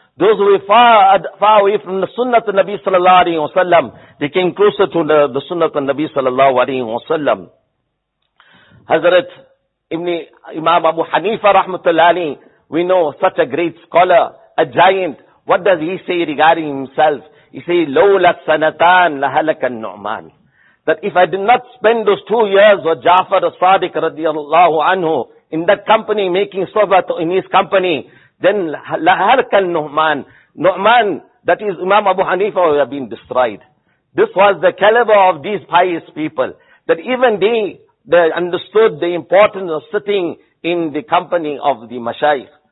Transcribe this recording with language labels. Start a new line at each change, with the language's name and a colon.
English: Those who were far away from the sunnah of Nabi sallallahu alayhi wa sallam, they came closer to the sunnah of Nabi sallallahu alayhi wa sallam. Hazrat Imam Abu Hanifa rahmatullahi, we know such a great scholar, a giant. What does he say regarding himself? He says,
Arabic: لولا سنتان لهلك النعمان.
English: That if I did not spend those 2 years with Jafar al-Sadiq radiallahu anhu in that company, making sohbat in his company, then
Arabic: لهلك النعمان.
English: Nu'man, that is Imam Abu Hanifa, would have been destroyed. This was the caliber of these pious people. That even they understood the importance of sitting in the company of the mashayikh.